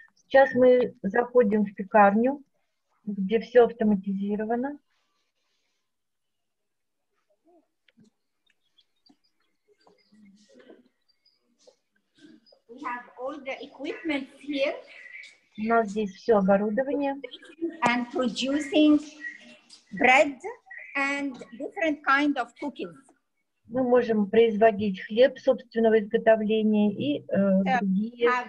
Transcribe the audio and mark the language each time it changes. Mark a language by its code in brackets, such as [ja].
[ru] Сейчас мы заходим в пекарню, где все автоматизировано. [en] We have all the equipment here. [ru] У нас здесь все оборудование. [en] And producing bread and different kind of cooking. [ru] Мы можем производить хлеб собственного изготовления и другие.